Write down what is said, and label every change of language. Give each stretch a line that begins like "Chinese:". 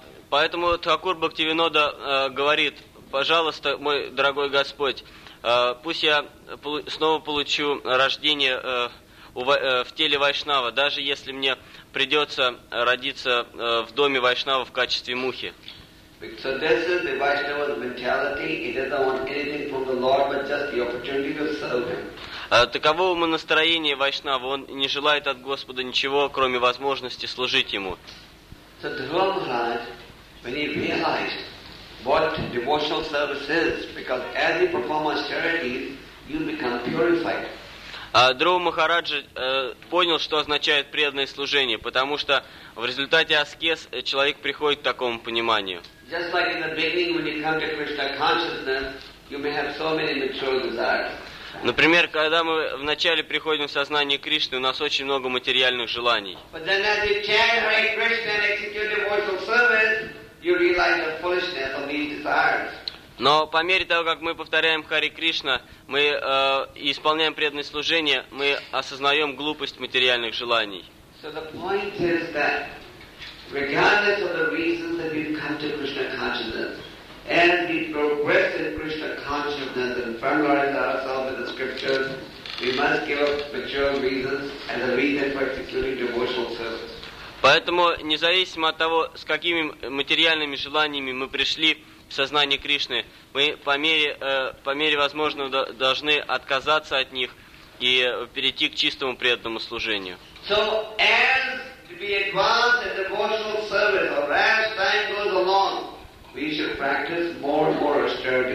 Russian: Поэтому Тхакур Бхактивинода говорит: «Пожалуйста, мой дорогой Господь, пусть я снова получу рождение в теле Вайшнава, даже если мне придется родиться в доме Вайшнава в качестве мухи».
English: So this is the Vaishnava's mentality. He doesn't want anything from the Lord, but just the opportunity to serve him.
Russian: Таково ума настроение Вайшнава. Он не желает от Господа ничего, кроме возможности служить ему.
English: So Dhruva Maharaj, when he realized what devotional service is, because as you perform austerities, you become purified.
Russian: Дрова Махараджа понял, что означает преданное служение, потому что в результате аскез человек приходит к такому пониманию.
English: Just like in the beginning, when you come to Krishna consciousness, you may have so many material desires.
Russian: Например, когда мы вначале приходим в сознание Кришны, у нас очень много материальных желаний.
English: But then as you chant Hare Krishna and execute devotional service, you realize the foolishness of these desires.
Russian: Но по мере того, как мы повторяем Хари Кришна, мы исполняем преданное служение, мы осознаем глупость материальных желаний.
English: So the point is that regardless of the reasons that we've come to Krishna consciousness, as we progress in Krishna consciousness and familiarize ourselves with the scriptures, we must give up material reasons as a reason for executing devotional service.
Russian: Поэтому независимо от того, с какими материальными желаниями мы пришли в сознание Кришны, мы по мере возможного должны отказаться от них и перейти к чистому преданному служению.
English: So as we advance in devotional service, or as time goes along, we should practice more and more austerity.